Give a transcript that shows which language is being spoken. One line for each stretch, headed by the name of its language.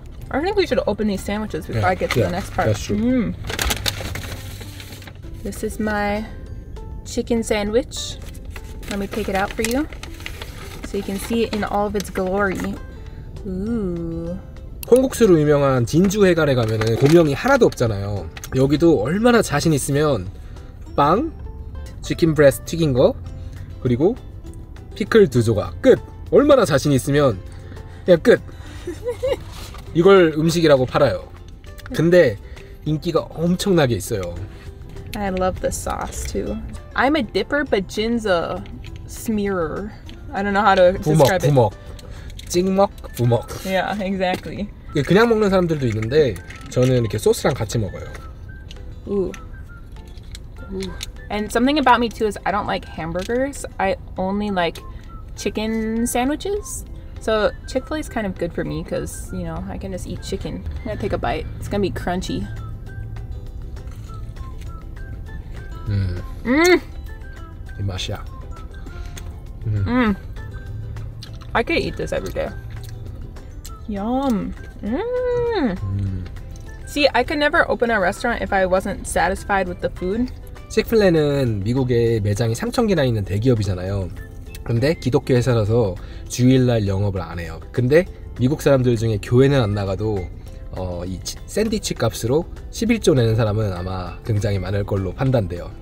English: I think we should open these sandwiches before I get to the next part. That's true. Mm. This is my chicken sandwich. Let me take it out for you so you can see it in all of its glory. Ooh.
Korean: 홍국수로 유명한 진주 회관에 가면은 고명이 하나도 없잖아요. 여기도 얼마나 자신 있으면 빵, 치킨 브레스 튀긴 거, 그리고 피클 두 조각 끝. 얼마나 자신 있으면 그냥 끝. 이걸 음식이라고 팔아요. 근데 인기가 엄청나게 있어요.
English: I love the sauce too. I'm a dipper, but Jin's a smearer. I don't know how to describe
Korean: 부먹,
English: it.
Korean: 부먹. 찍먹, 부먹.
English: Yeah, exactly.
Korean: 그냥 먹는 사람들도 있는데 저는 이렇게 소스랑 같이 먹어요. Ooh. Ooh.
English: And something about me too is I don't like hamburgers. I only like chicken sandwiches. So Chick-fil-A is kind of good for me because, you know, I can just eat chicken. I'm gonna take a bite. It's gonna be crunchy. Mmm. Mmm.
Korean: 이 맛이야.
English: Mmm. Mm. I could eat this every day. Yum. Mmm. Mm. See, I could never open a restaurant if I wasn't satisfied with the food.
Korean: Chick-fil-A는 미국에 매장이 3천 개나 있는 대기업이잖아요. 근데 기독교 회사라서 주일날 영업을 안 해요. 근데 미국 사람들 중에 교회는 안 나가도 이 샌드위치 값으로 11조 내는 사람은 아마 굉장히 많을 걸로 판단돼요.